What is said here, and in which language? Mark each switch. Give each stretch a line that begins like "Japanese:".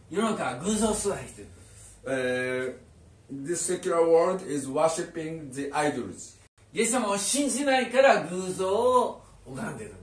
Japanese: 世の中は偶像崇拝してる。
English: This secular world is worshiping the idols.
Japanese: イエス様を信じないから偶像を拝んでる。